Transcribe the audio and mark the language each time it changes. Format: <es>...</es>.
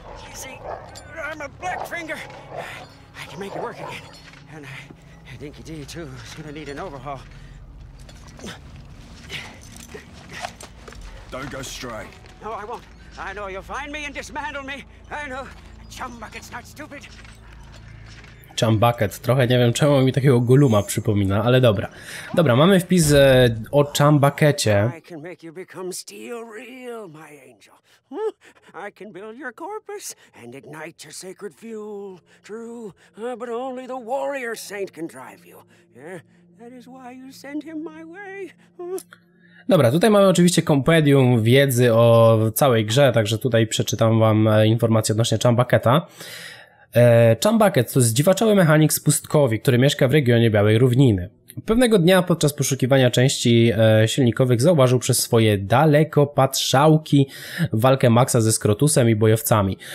<en>You see, I'm a black finger. I can make it work again. And I think you do too. It's gonna need an overhaul. Don't go stray. No, I won't. I know you'll find me and dismantle me. I know. Chumbucket's not stupid. Chumbucket.</en> <pl>Trochę nie wiem, czemu mi takiego Golluma przypomina, ale dobra. Dobra, mamy wpis o Chumbuckecie.</pl> <en>I can make you become steel real, my angel. I can build your corpus and ignite your sacred fuel. True, but only the warrior saint can drive you. Yeah? That is why you send him my way.</en> <pl>Dobra, tutaj mamy oczywiście kompendium wiedzy o całej grze, także tutaj przeczytam wam informacje odnośnie Chumbucketa. Chumbucket to zdziwaczały mechanik z pustkowi, który mieszka w regionie Białej Równiny. Pewnego dnia podczas poszukiwania części silnikowych zauważył przez swoje dalekopatrzałki walkę Maxa ze Skrotusem i bojowcami.</pl>